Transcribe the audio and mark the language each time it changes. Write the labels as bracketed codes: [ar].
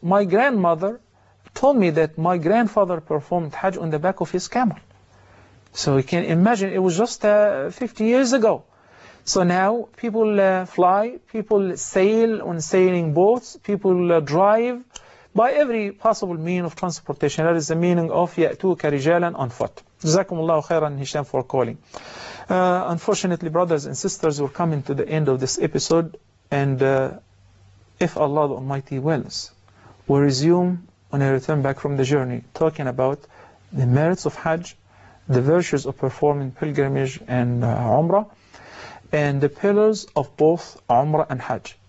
[en] My grandmother told me that my grandfather performed Hajj on the back of his camel. So you can imagine, it was just 50 years ago. So now people fly, people sail on sailing boats, people drive by every possible mean of transportation. That is the meaning of يأتوك رجالا on foot. [ar] جزاكم الله خيرا هشام for calling. [en] Unfortunately, brothers and sisters, we're coming to the end of this episode. And if Allah the Almighty wills, we'll resume when I return back from the journey, talking about the merits of Hajj, the virtues of performing pilgrimage and Umrah, and the pillars of both Umrah and Hajj.